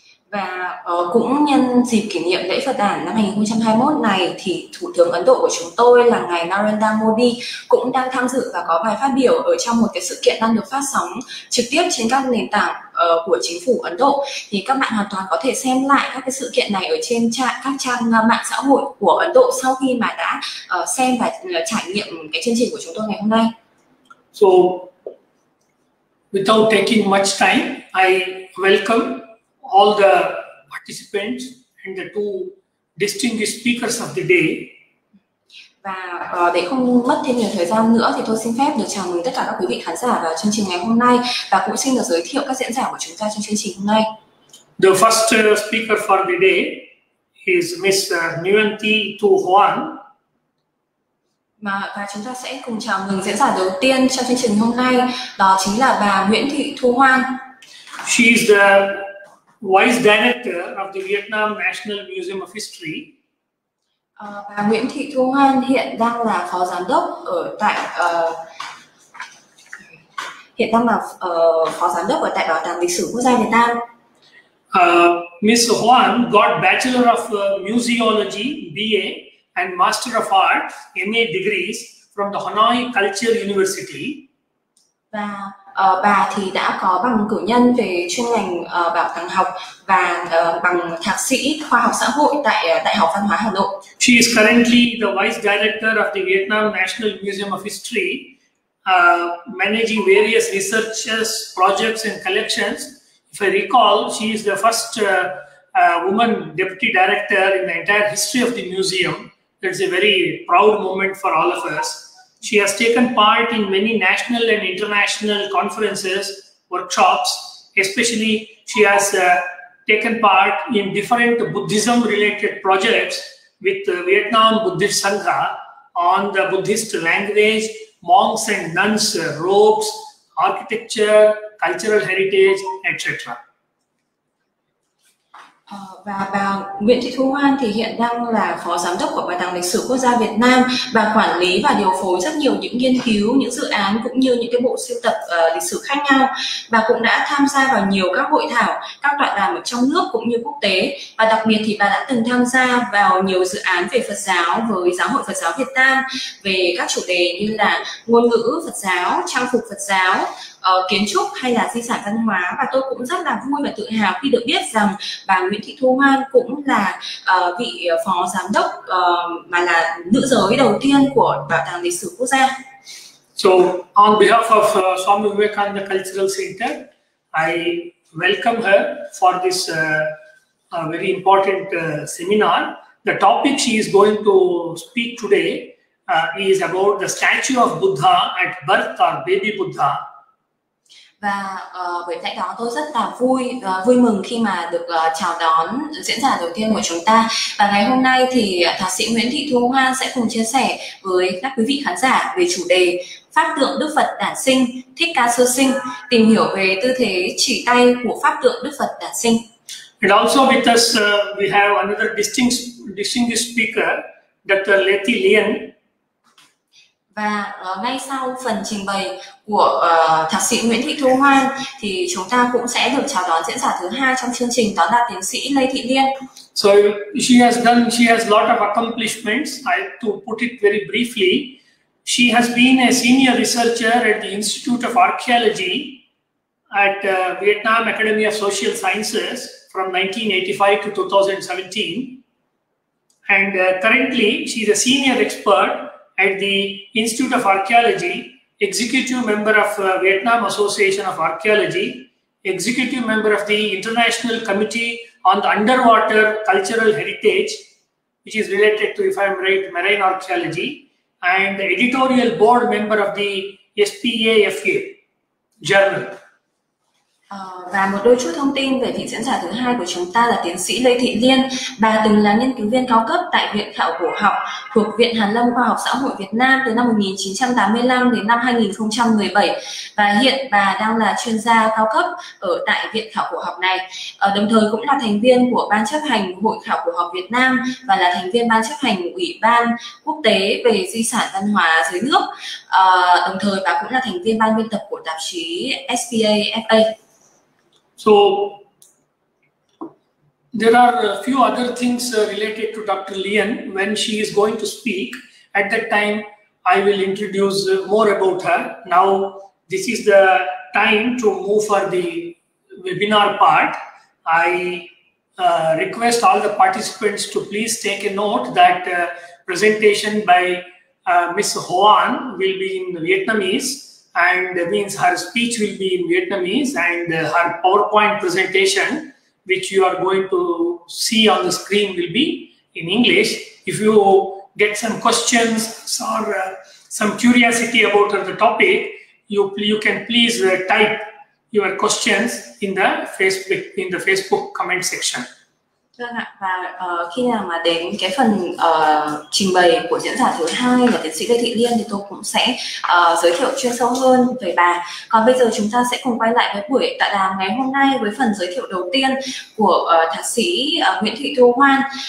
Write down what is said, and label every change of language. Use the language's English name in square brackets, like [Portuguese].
[Vietnamese] Và cũng nhân dịp kỷ niệm lễ Phật đản năm 2021 này thì Thủ tướng Ấn Độ của chúng tôi là ngài Narendra Modi cũng đang tham dự và có bài phát biểu ở trong một cái sự kiện đang được phát sóng trực tiếp trên các nền tảng của chính phủ Ấn Độ. Thì các bạn hoàn toàn có thể xem lại các cái sự kiện này ở trên các trang mạng xã hội của Ấn Độ sau khi mà đã xem và trải nghiệm cái chương trình của chúng tôi ngày hôm nay. [English] So, without taking much time, I welcome all the participants and the two distinguished speakers of the day. [Vietnamese] Và để không mất thêm nhiều thời gian nữa thì tôi xin phép được chào mừng tất cả các quý vị khán giả vào chương trình ngày hôm nay, và cũng xin được giới thiệu các diễn giả của chúng ta trong chương trình hôm nay. [English] The first speaker for the day is Miss Nguyen Thi Thu Hoan. [Vietnamese] Và chúng ta sẽ cùng chào mừng diễn giả đầu tiên trong chương trình hôm nay, đó chính là bà Nguyễn Thị Thu Hoan. [English] She is the Vice Director of the Vietnam National Museum of History. [Vietnamese] Bà Nguyễn Thị Thu Hoan hiện đang là phó giám đốc ở tại hiện đang là phó giám đốc ở tại Bảo tàng Lịch sử Quốc gia Việt Nam. [English] Miss Huan got Bachelor of Museology BA and Master of Art MA degrees from the Hanoi Cultural University. [Vietnamese] Và bà thì đã có bằng cử nhân về chuyên ngành bảo tàng học và bằng thạc sĩ khoa học xã hội tại Đại học Văn hóa Hà Nội. [English] She is currently the Vice Director of the Vietnam National Museum of History, managing various researches, projects and collections. If I recall, she is the first woman deputy director in the entire history of the museum. That's a very proud moment for all of us. She has taken part in many national and international conferences, workshops, especially she has taken part in different Buddhism related projects with the Vietnam Buddhist Sangha on the Buddhist language, monks and nuns robes, architecture, cultural heritage, etc. [Vietnamese] Và bà Nguyễn Thị Thu Hoan thì hiện đang là phó giám đốc của Bảo tàng Lịch sử Quốc gia Việt Nam và quản lý và điều phối rất nhiều những nghiên cứu, những dự án cũng như những cái bộ sưu tập lịch sử khác nhau. Bà cũng đã tham gia vào nhiều các hội thảo, các tọa đàm ở trong nước cũng như quốc tế, và đặc biệt thì bà đã từng tham gia vào nhiều dự án về Phật giáo với Giáo hội Phật giáo Việt Nam về các chủ đề như là ngôn ngữ Phật giáo, trang phục Phật giáo, kiến trúc hay là di sản văn hóa. Và tôi cũng rất là vui và tự hào khi được biết rằng bà Nguyễn Thị Thu Hoan cũng là vị phó giám đốc mà là nữ giới đầu tiên của Bảo tàng Lịch sử Quốc gia. [English] So, on behalf of Swami Vivekananda Cultural Center, I welcome her for this very important seminar. The topic she is going to speak today is about the statue of Buddha at birth or baby Buddha. [Vietnamese] Và bởi lẽ đó tôi rất là vui vui mừng khi mà được chào đón diễn giả đầu tiên của chúng ta. Và ngày hôm nay thì thạc sĩ Nguyễn Thị Thu Hoan sẽ cùng chia sẻ với các quý vị khán giả về chủ đề Pháp tượng Đức Phật đản sinh, Thích Ca sơ sinh, tìm hiểu về tư thế chỉ tay của Pháp tượng Đức Phật đản sinh. [English] And also with us we have another distinguished speaker, Dr. Leti Lien. [Vietnamese] Và ngay sau phần trình bày của thạc sĩ Nguyễn Thị Thu Hoan thì chúng ta cũng sẽ được chào đón diễn giả thứ hai trong chương trình, đó là tiến sĩ Lê Thị Liên. [English] So she has lot of accomplishments. I to put it very briefly, she has been a senior researcher at the Institute of Archaeology at Vietnam Academy of Social Sciences from 1985 to 2017, and currently she is a senior expert at the Institute of Archaeology, executive member of Vietnam Association of Archaeology, executive member of the International Committee on the Underwater Cultural Heritage, which is related to, if I am right, marine archaeology, and the editorial board member of the SPAFA journal. [Vietnamese] Và một đôi chút thông tin về vị diễn giả thứ hai của chúng ta là tiến sĩ Lê Thị Liên. Bà từng là nghiên cứu viên cao cấp tại Viện Khảo Cổ Học thuộc Viện Hàn Lâm Khoa học Xã hội Việt Nam từ năm 1985 đến năm 2017. Và hiện bà đang là chuyên gia cao cấp ở tại Viện Khảo Cổ Học này. Đồng thời cũng là thành viên của Ban chấp hành Hội Khảo Cổ Học Việt Nam và là thành viên Ban chấp hành Ủy ban Quốc tế về Di sản Văn hóa Dưới nước. Đồng thời bà cũng là thành viên ban biên tập của tạp chí SPAFA. [English] So, there are a few other things related to Dr. Lien when she is going to speak. At that time, I will introduce more about her. Now, this is the time to move for the webinar part. I request all the participants to please take a note that presentation by Ms. Hoan will be in Vietnamese. And that means her speech will be in Vietnamese, and her PowerPoint presentation, which you are going to see on the screen, will be in English. If you get some questions or some curiosity about the topic, you can please type your questions in the Facebook comment section. [Vietnamese] Vâng ạ, và khi nào mà đến cái phần trình bày của diễn giả thứ hai là tiến sĩ Lê Thị Liên thì tôi cũng sẽ giới thiệu chuyên sâu hơn về bà. Còn bây giờ chúng ta sẽ cùng quay lại với buổi tọa đàm ngày hôm nay với phần giới thiệu đầu tiên của thạc sĩ Nguyễn Thị Thu Hoan.